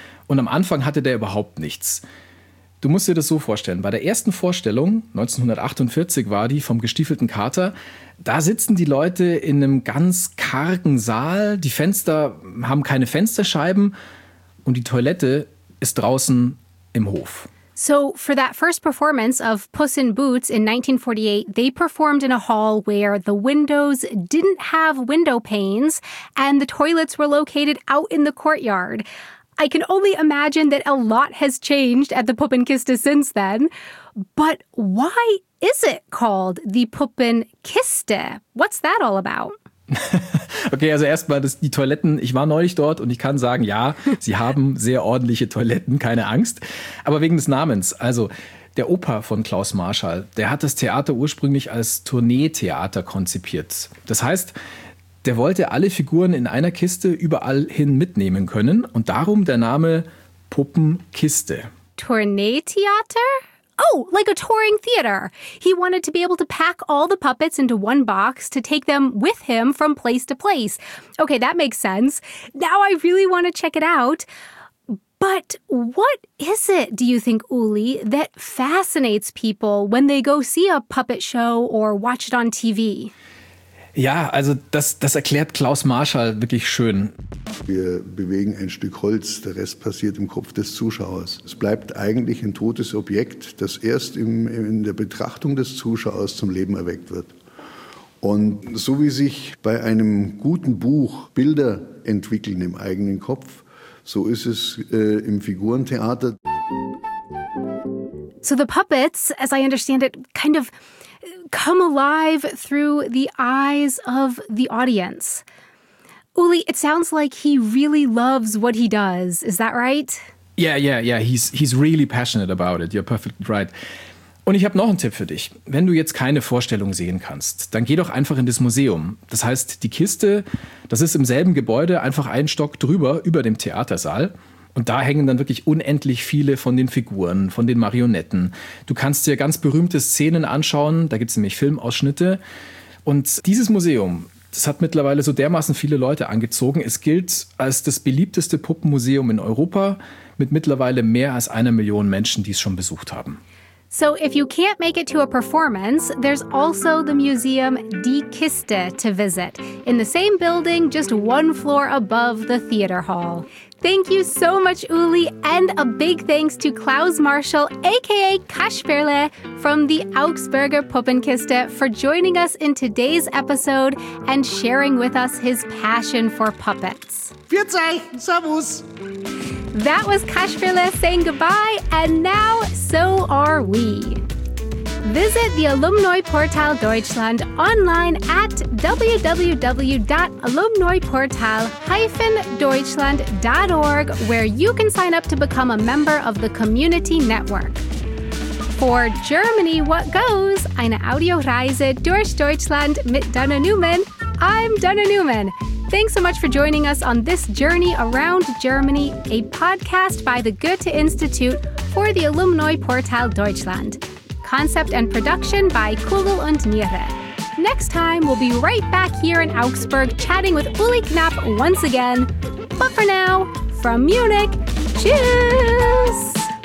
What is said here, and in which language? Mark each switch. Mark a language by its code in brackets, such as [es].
[de] Und am Anfang hatte der überhaupt nichts. Du musst dir das so vorstellen. Bei der ersten Vorstellung, 1948 war die, vom gestiefelten Kater, da sitzen die Leute in einem ganz kargen Saal. Die Fenster haben keine Fensterscheiben und die Toilette ist draußen im Hof. [en] So for that first performance of Puss in Boots in 1948, they performed in a hall where the windows didn't have window panes and the toilets were located out in the courtyard. I can only imagine that a lot has changed at the Puppenkiste since then. But why is it called the Puppenkiste? What's that all about? [de] Okay, also erstmal die Toiletten. Ich war neulich dort und ich kann sagen, ja, sie haben sehr ordentliche Toiletten, keine Angst. Aber wegen des Namens. Also der Opa von Klaus Marschall, der hat das Theater ursprünglich als Tourneetheater konzipiert. Das heißt, der wollte alle Figuren in einer Kiste überall hin mitnehmen können. Und darum der Name Puppenkiste. [en] Tourneetheater? Oh, like a touring theater. He wanted to be able to pack all the puppets into one box to take them with him from place to place. Okay, that makes sense. Now I really want to check it out. But what is it, do you think, Uli, that fascinates people when they go see a puppet show or watch it on TV? [de] Ja, also das erklärt Klaus Marschall wirklich schön. Wir bewegen ein Stück Holz, der Rest passiert im Kopf des Zuschauers. Es bleibt eigentlich ein totes Objekt, das erst in der Betrachtung des Zuschauers zum Leben erweckt wird. Und so wie sich bei einem guten Buch Bilder entwickeln im eigenen Kopf, so ist es im Figurentheater. [en] So the puppets, as I understand it, kind of come alive through the eyes of the audience. Uli, it sounds like he really loves what he does. Is that right? Yeah. He's really passionate about it. You're perfectly right. [de] Und ich habe noch einen Tipp für dich. Wenn du jetzt keine Vorstellung sehen kannst, dann geh doch einfach in das Museum. Das heißt, die Kiste, das ist im selben Gebäude, einfach einen Stock drüber, über dem Theatersaal. Und da hängen dann wirklich unendlich viele von den Figuren, von den Marionetten. Du kannst dir ganz berühmte Szenen anschauen, da gibt es nämlich Filmausschnitte. Und dieses Museum, das hat mittlerweile so dermaßen viele Leute angezogen. Es gilt als das beliebteste Puppenmuseum in Europa, mit mittlerweile mehr als 1 Million Menschen, die es schon besucht haben. [en] So if you can't make it to a performance, there's also the museum Die Kiste to visit, in the same building, just one floor above the theater hall. Thank you so much, Uli, and a big thanks to Klaus Marschall, aka Kasperle, from the Augsburger Puppenkiste, for joining us in today's episode and sharing with us his passion for puppets. [de] Viertzei, servus! [en] That was Kasperle saying goodbye, and now so are we. Visit the Alumni Portal Deutschland online at www.alumniportal-deutschland.org, where you can sign up to become a member of the community network. For Germany What Goes, [de] eine Audioreise durch Deutschland mit Dana Neumann, [en] I'm Dana Neumann. Thanks so much for joining us on this journey around Germany, a podcast by the Goethe-Institut for the Alumni Portal Deutschland. Concept and production by Kugel und Niere. Next time, we'll be right back here in Augsburg chatting with Uli Knapp once again. But for now, from Munich, tschüss!